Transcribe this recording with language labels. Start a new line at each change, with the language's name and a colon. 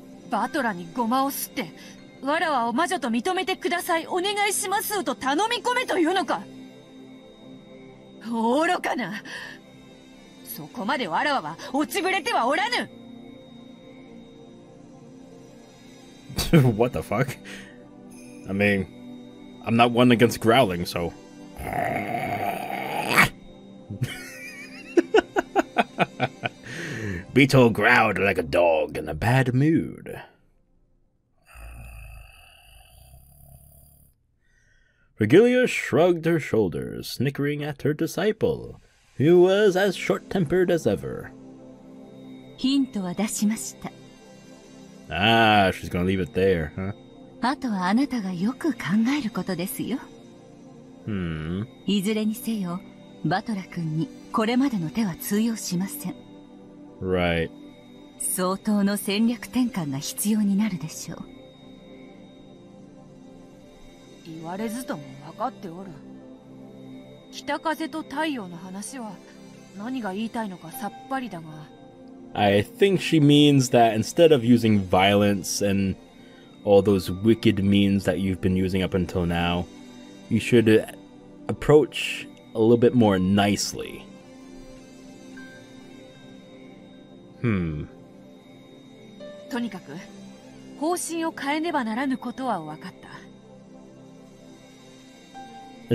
Japanese: バトラにゴマを吸って、わらわを魔女と認めてください、お願いしますと頼み込めというのか。愚かな。そこまでわらわは落ちぶれてはおらぬ。
English: What the fuck? I mean, I'm not one against growling, so... Beetle growled like a dog in a bad mood. Regilia shrugged her shoulders, snickering at her disciple, who was as short-tempered as ever.
Japanese: Hint は出しました。
English: Ah, she's gonna leave it there, huh?
Japanese: あとはあなたがよく考えることですよ。 Hmm. いずれにせよ、バトラ君にこれまでの手は通用しません。
English: Right.
Japanese: 相当の戦略転換が必要になるでしょう。言われずとも分かっておる。北風と太陽の話は何が言いたいのかさっぱりだが、
English: I think she means that instead of using violence and all those wicked means that you've been using up until now, you should approach a little bit more nicely. Hmm.
Japanese: とにかく、方針を変えねばならぬことは分かった。